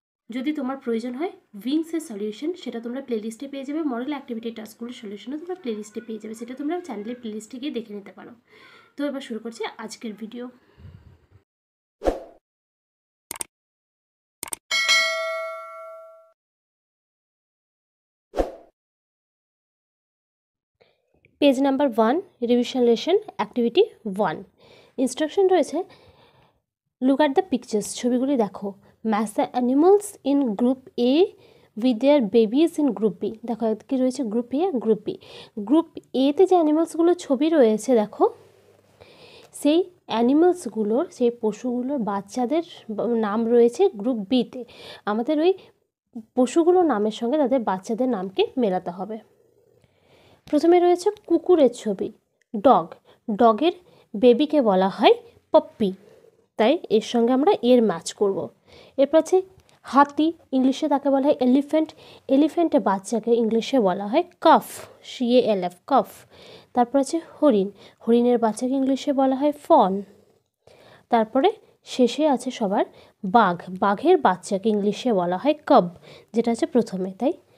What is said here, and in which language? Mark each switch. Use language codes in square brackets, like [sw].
[bn] যদি তোমার প্রয়োজন হয় উইংস এর সলিউশন সেটা তোমরা প্লেলিস্টে পেয়ে যাবে মডেল অ্যাক্টিভিটি টাস্কগুলোর সলিউশনও তোমরা প্লেলিস্টে পেয়ে যাবে সেটা তোমরা চ্যানেলের প্লেলিস্টে গিয়ে দেখে নিতে পারো তো এবার শুরু করছি আজকের video [en] Page number 1, revision lesson, activity 1. Instruction রয়েছে, look at the pictures, [bn] ছবিগুলি দেখো. [en] Match the animals in group A with their babies in group B. [bn] দেখো, কি রয়েছে, group A, group B. Group A তে যে animals গুলো ছবি রয়েছে, দেখো. সেই animals গুলোর, সেই পশুগুলোর বাচ্চাদের নাম রয়েছে group B তে. আমাদের ওই পশুগুলোর নামের সঙ্গে তাদের বাচ্চাদের নামকে মেলাতে হবে. প্রথমে রয়েছে কুকুরের ছবি ডগ ডগের বেবিকে বলা হয় পপ্পি তাই এর সঙ্গে আমরা এর ম্যাচ করব এরপর আছে হাতি ইংলিশে তাকে বলা হয় এলিফ্যান্ট এলিফ্যান্টের বাচ্চাকে ইংলিশে বলা হয় কফ সি এ এল এফ কফ তারপর আছে হরিণ হরিণের বাচ্চাকে ইংলিশে বলা হয় ফন তারপরে শেষে আছে সবার বাঘ বাঘের বাচ্চাকে ইংলিশে বলা হয় কব যেটা আছে প্রথমে তাই